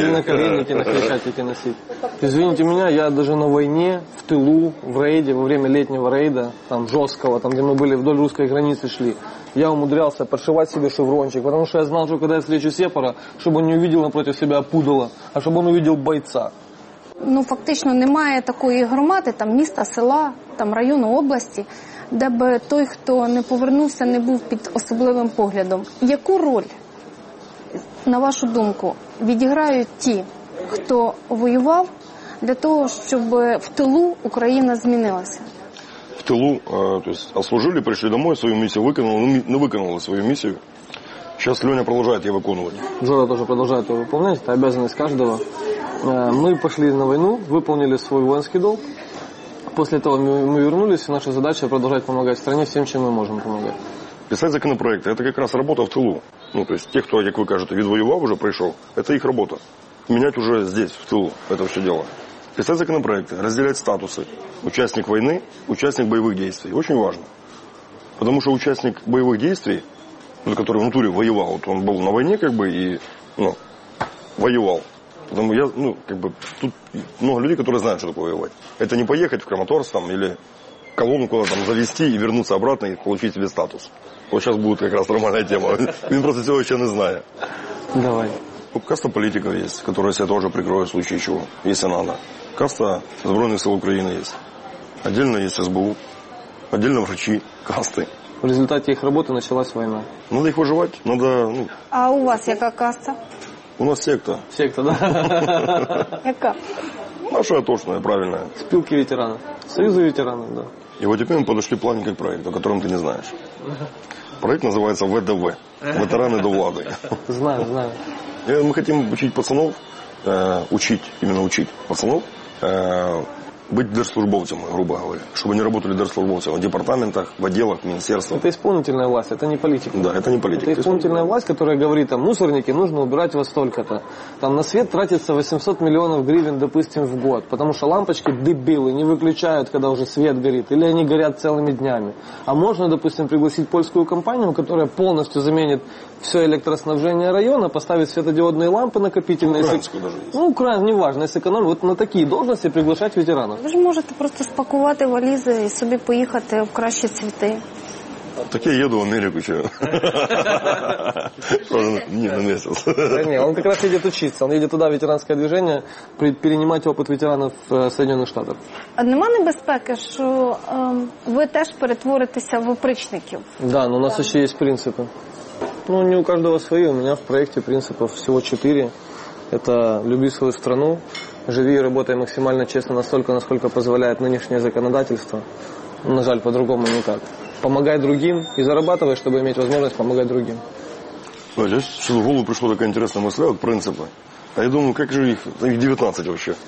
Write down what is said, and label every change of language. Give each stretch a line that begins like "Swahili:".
Russian: Или на коленники на Крещатике носить. Извините меня, я даже на войне, в тылу, в рейде, во время летнего рейда, там, жесткого, там, где мы были вдоль русской границы шли, я умудрялся подшивать себе шеврончик, потому что я знал, что когда я встречу сепара, чтобы он не увидел напротив себя пудала, а чтобы он увидел бойца.
Ukrainian: Ну, фактично, немає такої громади, там міста, села, там району, області, де би той, хто не повернувся, не був під особливим поглядом. Яку роль, на вашу думку, відіграють ті, хто воював для того, щоб в тилу Україна змінилася? В тилу, тобто, служили, прийшли домой, свою місію виконали, не виконали свою місію.
Russian: Сейчас Леня продолжает ее выполнять. Жора тоже продолжает ее выполнять. Это обязанность каждого. Мы пошли на войну, выполнили свой воинский долг. После этого мы вернулись, и наша задача продолжать помогать стране всем, чем мы можем помогать. Писать законопроекты – это как раз работа в тылу. Ну, то есть те, кто, как вы кажете, видвоевал уже пришел, это их работа. Менять уже здесь, в тылу, это все дело. То есть этот законопроект разделяет статусы. Участник войны, участник боевых действий. Очень важно. Потому что участник боевых действий, который в натуре воевал, вот он был на войне как бы и воевал. Потому я, тут много людей, которые знают, что такое воевать. Это не поехать в Краматорск там или колонну куда-то там завести и вернуться обратно и получить себе статус. Вот сейчас будет как раз нормальная тема. Я просто всего еще не знаю. Давай. Каста политиков есть, которая себя тоже прикроет в случае чего, если надо. Каста Збройних сил України есть. Отдельно есть СБУ. Отдельно врачи касты. В результате их работы началась война. Надо их выживать. Надо. А у вас какая каста? У нас секта. Секта, да? Какая? Наша точная, правильная. Спилки ветеранов. Союзы ветеранов, да. И вот теперь мы подошли к плане как проект, о котором ты не знаешь. Проект называется ВДВ. Ветераны до влады. Знаю. Мы хотим учить пацанов, учить пацанов, быть держслужбовцами, грубо говоря. Чтобы они работали держслужбовцами в департаментах, в отделах, в министерствах. Это исполнительная власть, это не политика. Да, это не политика. Это исполнительная власть, которая говорит, там, мусорники нужно убирать вот столько-то. Там на свет тратится 800 миллионов гривен, допустим, в год. Потому что лампочки дебилы не выключают, когда уже свет горит. Или они горят целыми днями. А можно, допустим, пригласить польскую компанию, которая полностью заменит все электроснабжение района, поставить светодиодные лампы накопительные. Украинскую даже есть. Неважно, если экономить. Вот на такие должности приглашать ветеранов.
Ukrainian: Ви ж можете просто спакувати валізи і собі поїхати в кращі цвіти. Так я їду в Америку, чи? Ні, на місяць. Ні, він якраз їде вчитися. Він їде туди, ветеранське движення, перенімати опит ветеранів Сполучених Штатів. А нема небезпеки, що ви теж перетворитеся в опричників? Так, у нас ще є принципи. Не у кожного свої. У мене в проєкті принципів всього 4.
Russian: Це «люби свою страну», живи и работай максимально честно, настолько, насколько позволяет нынешнее законодательство.
Ukrainian: На жаль,
Russian: по-другому никак. Помогай другим и зарабатывай, чтобы иметь возможность помогать другим. Сейчас в голову пришла такая интересная мысль, вот принципы. А я думаю, как же их, 19 вообще.